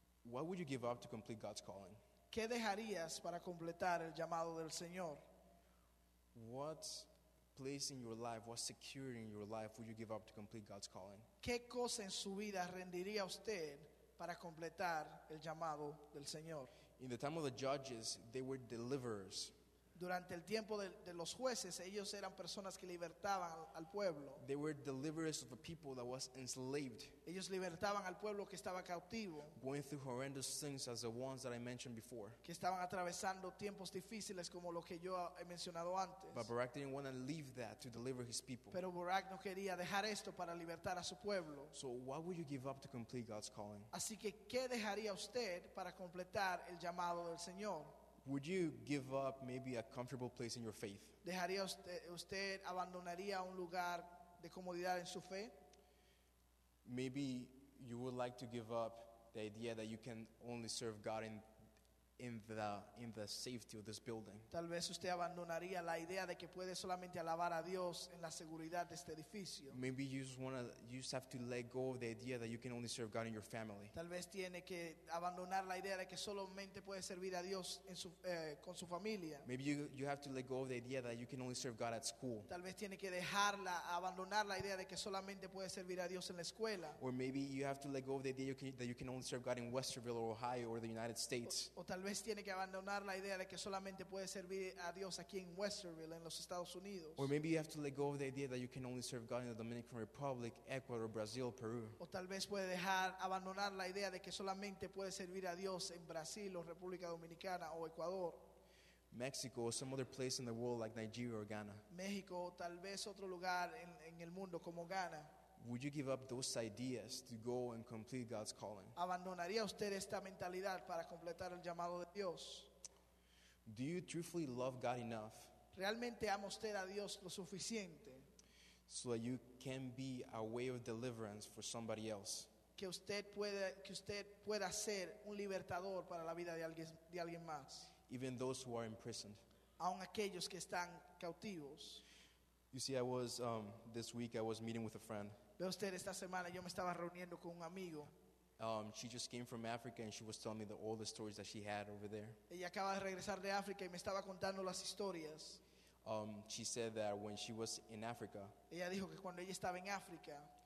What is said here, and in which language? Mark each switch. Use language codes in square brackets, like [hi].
[en] What would you give up to complete God's calling? [es] ¿Qué dejarías para completar el llamado del Señor? [en] What place in your life, what security in your life would you give up to complete God's calling? [es] ¿Qué cosa en su vida rendiría usted para completar el llamado del Señor? [en] In the time of the judges, they were deliverers. [es] Durante el tiempo de los jueces, ellos eran personas que libertaban al pueblo. [en] They were deliverers of a people that was enslaved. [es] Ellos libertaban al pueblo que estaba cautivo. [en] Going through horrendous things as the ones that I mentioned before. [es] Que estaban atravesando tiempos difíciles como lo que yo he mencionado antes. [en] But Barak didn't want to leave that to deliver his people. [es] Pero Barak no quería dejar esto para libertar a su pueblo. [en] So why would you give up to complete God's calling? [es] Así que, ¿qué dejaría usted para completar el llamado del Señor? [en] Would you give up maybe a comfortable place in your faith? [es] ¿Dejaría usted abandonaría un lugar de comodidad en su fe? [en] Maybe you would like to give up the idea that you can only serve God in in the safety of this building. [es] Tal vez usted abandonaría la idea de que puede solamente alabar a Dios en la seguridad de este edificio. [en] Maybe you just have to let go of the idea that you can only serve God in your family. [es] Tal vez tiene que abandonar la idea de que solamente puede servir a Dios en su con su familia. [en] Maybe you have to let go of the idea that you can only serve God at school. [es] Tal vez tiene que dejarla, abandonar la idea de que solamente puede servir a Dios en la escuela. [en] Or maybe you have to let go of the idea that you can only serve God in Westerville or Ohio or the United States. [es] Tal vez tiene que abandonar la idea de que solamente puede servir a Dios aquí en Westerville, en los Estados Unidos. [en] Or maybe you have to let go of the idea that you can only serve God in the Dominican Republic, Ecuador, Brazil, Peru. [es] O tal vez puede dejar abandonar la idea de que solamente puede servir a Dios en Brasil o República Dominicana o Ecuador. [en] Mexico or some other place in the world like Nigeria or Ghana. [es] México o tal vez otro lugar en el mundo como Ghana. [en] Would you give up those ideas to go and complete God's calling? [es] ¿Abandonaría usted esta mentalidad para completar el llamado de Dios? [en] Do you truly love God enough? [es] ¿Realmente ama usted a Dios lo suficiente? [en] So that you can be a way of deliverance for somebody else. [es] Que usted pueda ser un libertador para la vida de alguien más. [en] Even those who are imprisoned. [es] Aun aquellos que están cautivos. [en] You see, I was this week I was meeting with a friend. [es] Ve usted, esta semana yo me estaba reuniendo con un amigo. [en] She just came from Africa and she was telling me all the stories that she had over there. [es] Ella acaba de regresar de África y me estaba contando las historias. [en] She said that when she was in Africa. [es] Ella dijo que cuando ella estaba en África.